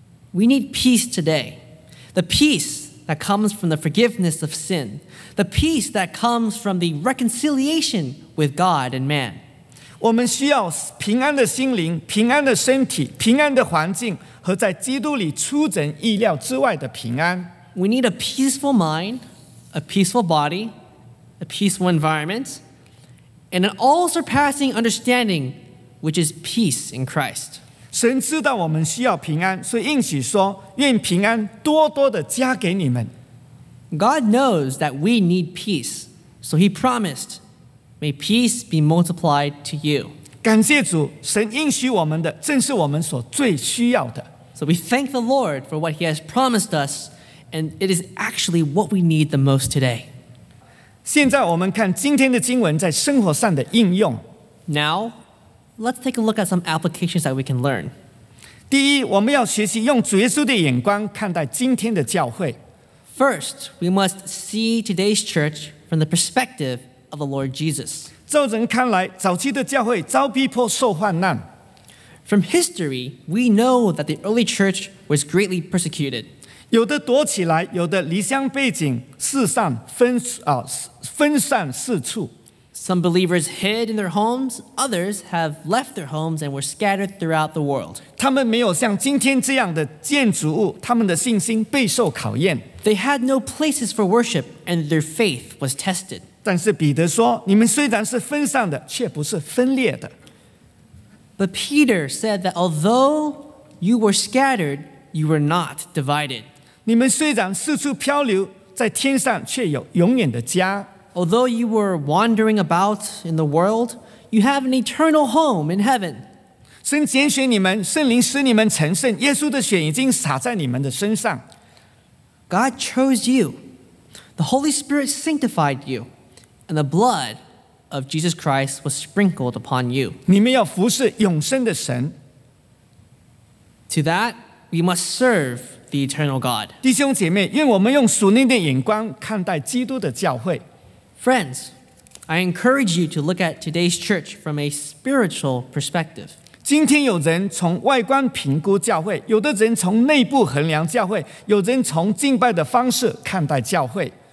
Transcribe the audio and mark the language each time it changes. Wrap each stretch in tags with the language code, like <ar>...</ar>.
<en>We need peace today, the peace that comes from the forgiveness of sin, the peace that comes from the reconciliation with God and man.</en> <zh>我们需要平安的心灵，平安的身体，平安的环境，和在基督里出人意料之外的平安。</zh> <en>We need a peaceful mind, a peaceful body, a peaceful environment, and an all-surpassing understanding, which is peace in Christ.</en> <zh>神知道我们需要平安，所以应许说，愿平安多多地加给你们。</zh> <en>God knows that we need peace, so He promised, may peace be multiplied to you.</en> <zh>感谢主，神应许我们的正是我们所最需要的。</zh> <en>So we thank the Lord for what He has promised us, and it is actually what we need the most today.</en> <zh>现在我们看今天的经文在生活上的应用。</zh> <en>Now, let's take a look at some applications that we can learn.</en> <zh>第一，我们要学习用主耶稣的眼光看待今天的教会。</zh> <en>First, we must see today's church from the perspective of the Lord Jesus.</en> <zh>照人看来，早期的教会遭逼迫受患难。</zh> <en>From history, we know that the early church was greatly persecuted.</en> <zh>有的躲起来，有的离乡背井，四散分散四处。</zh> <en>Some believers hid in their homes, others have left their homes and were scattered throughout the world.</en> <zh>他们没有像今天这样的建筑物，他们的信心备受考验。</zh> <en>They had no places for worship and their faith was tested.</en> <zh>但是彼得说，你们虽然是分散的，却不是分裂的。</zh> <en>But Peter said that although you were scattered, you were not divided.</en> <zh>你们虽然四处漂流，在天上却有永远的家。</zh> <en>Although you were wandering about in the world, you have an eternal home in heaven.</en> <zh>神拣选你们，圣灵使你们成圣，耶稣的血已经洒在你们的身上。</zh> <en>God chose you. The Holy Spirit sanctified you. And the blood of Jesus Christ was sprinkled upon you.</en> <zh>你们要服侍永生的神。</zh> <en>To that, we must serve the eternal God.</en> <zh>弟兄姐妹，愿我们用属灵的眼光看待基督的教会。</zh> <en>Friends, I encourage you to look at today's church from a spiritual perspective.</en> <zh>今天有人从外观评估教会，有的人从内部衡量教会，有人从敬拜的方式看待教会。</zh>